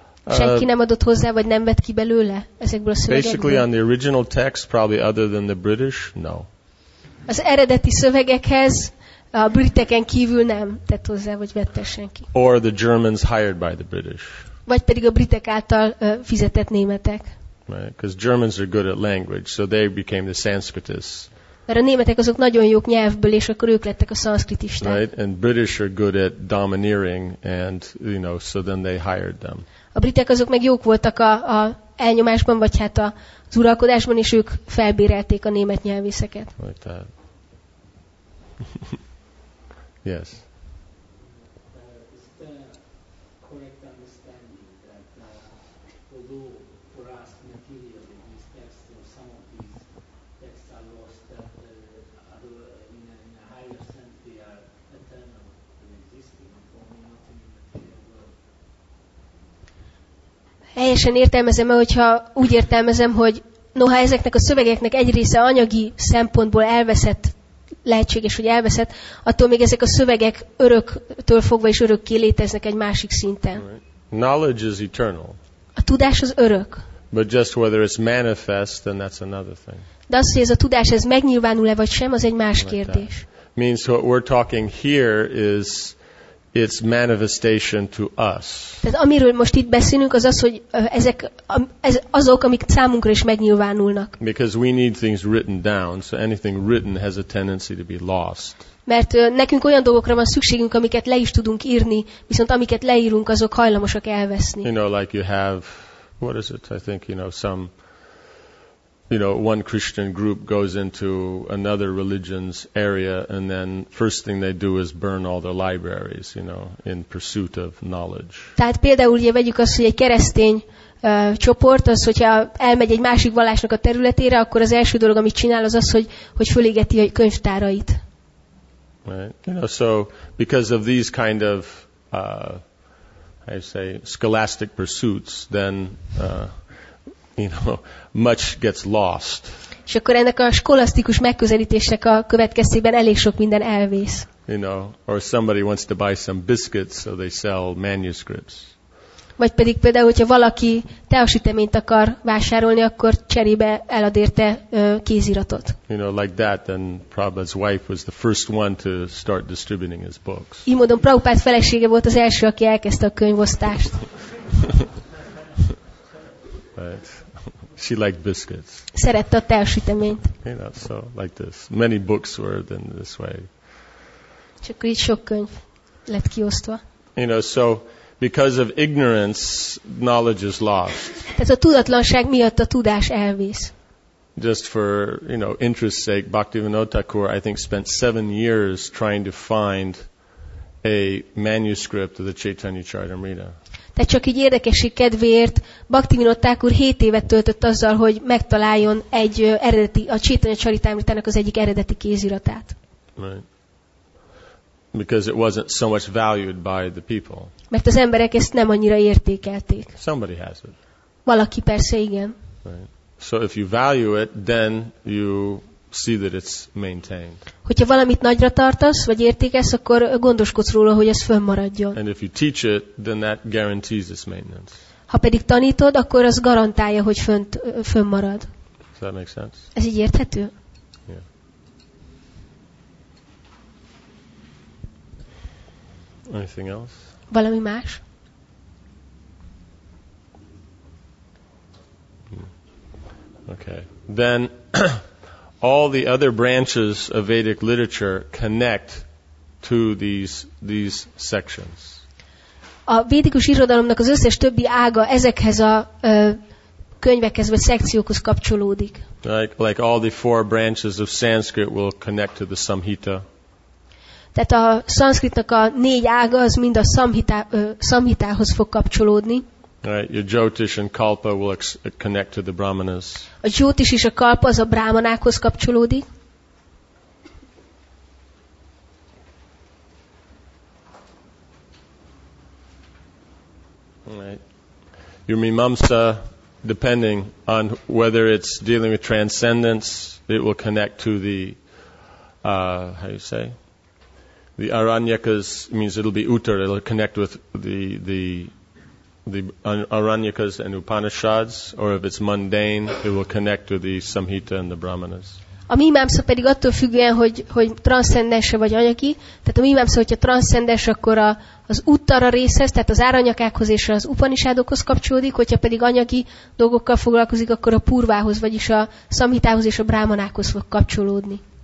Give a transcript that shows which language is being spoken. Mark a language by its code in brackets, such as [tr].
[hu] Senki nem adott hozzá, vagy nem vett ki belőle ezekből a szövegekből? [en] Basically on the original text, probably other than the British, no. [hu] Az eredeti szövegekhez a briteken kívül nem tett hozzá, vagy vette senki. [en] Or the Germans hired by the British. [hu] Vagy pedig a britek által fizetett németek. [en] Right, because Germans are good at language, so they became the Sanskritists. [hu] Mert a németek azok nagyon jók nyelvből, és akkor ők lettek a szanszkritisták. [en] Right, and British are good at domineering, and you know, so then they hired them. [hu] A britek azok meg jók voltak a elnyomásban, vagy hát az uralkodásban, és ők felbérelték a német nyelvészeket. [en] Like that. Yes. Is it a correct understanding that although for us materially these texts or some of these texts are lost, that in a higher sense they are eternal and existing and only not in the material world? [hu] Helyesen értelmezem, hogyha úgy értelmezem, hogy noha ezeknek a szövegeknek egy része anyagi szempontból elveszett, lehetséges, hogy elveszett, attól még ezek a szövegek öröktől fogva és örökké léteznek egy másik szinten. [en] Right. Knowledge is eternal. [hu] A tudás az örök. [en] But just whether it's manifest, then that's another thing. [hu] De az, hogy ez a tudás, ez megnyilvánul-e vagy sem, az egy más kérdés. [en] Like means what we're talking here is its manifestation to us. [hu] Tehát amiről most itt beszélünk, az az, hogy ezek ez azok, amik számunkra is megnyilvánulnak. [en] Because we need things written down, so anything written has a tendency to be lost. [hu] Mert nekünk olyan dolgokra van szükségünk, amiket le is tudunk írni, viszont amiket leírunk, azok hajlamosak elveszni. [en] You know, like you have, what is it? I think, you know, some, you know, one Christian group goes into another religion's area and then first thing they do is burn all their libraries, you know, in pursuit of knowledge. [hu] Tehát például ugye vegyük azt, hogy egy keresztény csoport, az, hogyha elmegy egy másik vallásnak a területére, akkor az első dolog, amit csinál, az az, hogy fölégeti a könyvtárait. [en] Right. You know, so because of these kind of, how you say, scholastic pursuits, then you know, much gets lost. [hu] És akkor ennek a skolasztikus megközelítések a következtében elég sok minden elvész. [en] You know, or somebody wants to buy some biscuits, so they sell manuscripts. [hu] Vagy pedig például, hogyha valaki teasüteményt akar vásárolni, akkor cserébe elad érte kéziratot. [en] You know, like that, then Prabhupada's wife was the first one to start distributing his books. [hu] Így módon Prabhupád felesége volt az első, aki elkezdte a könyvosztást. [en] Right. She liked biscuits. [hu] Szerette a teasüteményt. [en] You know, so like this. Many books were then this way. [hu] Csak akkor így sok könyv lett kiosztva. [en] You know, so because of ignorance, knowledge is lost. [hu] Tehát a tudatlanság miatt a tudás elvész. [en] Just for, you know, interest's sake, Bhaktivinoda Thakur, I think, spent 7 years trying to find a manuscript of the Chaitanya Charitamrita. [hu] Tehát csak így érdekesség kedvéért Bhaktivinoda Thakur 7 évet töltött azzal, hogy megtaláljon egy eredeti, a Chaitanya Charitamritának az egyik eredeti kéziratát. [en] Right. Because it wasn't so much valued by the people. [hu] Mert az emberek ezt nem annyira értékelték. [en] Somebody has it. [hu] Valaki persze igen. [en] Right. So if you value it, then you see that it's maintained. [hu] Hogyha valamit nagyra tartasz, vagy értékelsz, akkor gondoskodsz róla, hogy ez fönnmaradjon. [en] And if you teach it, then that guarantees its maintenance. [hu] Ha pedig tanítod, akkor az garantálja, hogy fönnmarad. [en] Does that make sense? [hu] Ez így érthető? [en] Yeah. Anything else? [hu] Valami más? [en] Okay. Then all the other branches of Vedic literature connect to these sections. [hu] A védikus irodalomnak az összes többi ága ezekhez a könyvekhez vagy szekciókhoz kapcsolódik. [en] Like all the four branches of Sanskrit will connect to the Samhita. [hu] Tehát a szanszkritnak a négy ága az mind a Samhitához fog kapcsolódni. [en] Right, your Jyotish and Kalpa will connect to the Brahmanas. [hu] A Jyotish és a Kalpa az a Brahmanákhoz kapcsolódik. [en] Right. Your Mimamsa, depending on whether it's dealing with transcendence, it will connect to the, the Aranyakas, means it'll be Uttar, it'll connect with the Aranyakas and Upanishads, or if it's mundane, it will connect to the Samhita and the Brahmanas. [hu] A Mimamsa pedig attól függően, hogy transzcendense vagy anyagi. Tehát a Mimamsa, hogyha transzcendens, akkor az Uttara részhez, tehát az Áranyakákhoz és az Upanishadokhoz kapcsolódik, hogyha pedig anyagi dolgokkal foglalkozik, akkor a Purvához, vagyis a Samhitához és a Brahmanákhoz fog kapcsolódni.